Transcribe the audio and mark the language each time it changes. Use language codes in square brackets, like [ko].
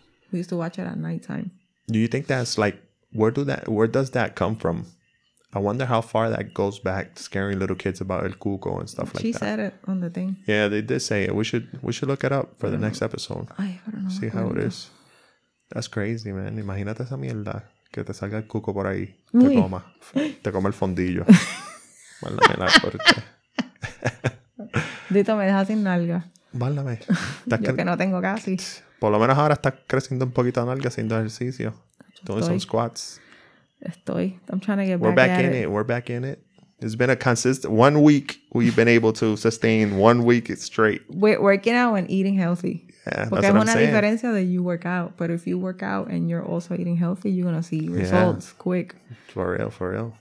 [en] We used to watch it at nighttime. Do you think that's like, where does that come from? I wonder how far that goes back, scaring little kids about El Cuco and stuff like that. She said it on the thing. Yeah, they did say it. We should look it up for the next episode. I don't know. See how it is. That's crazy, man. [es] Imagínate esa mierda. Que te salga el cuco por ahí. Uy. Te coma el fondillo. Válame la corte. Dito, me dejas sin nalga. Válame. Que no tengo casi. Por lo menos ahora estás creciendo un poquito de nalga haciendo ejercicio. [en] Doing some squats. [es] Estoy. [en] I'm trying to get back. We're back in it. We're back in it. It's been a consistent 1 week we've been able to sustain 1 week straight. We're working out and eating healthy. Yeah, [es] porque es una diferencia de [en] you work out, but if you work out and you're also eating healthy, you're gonna see results quick. For real.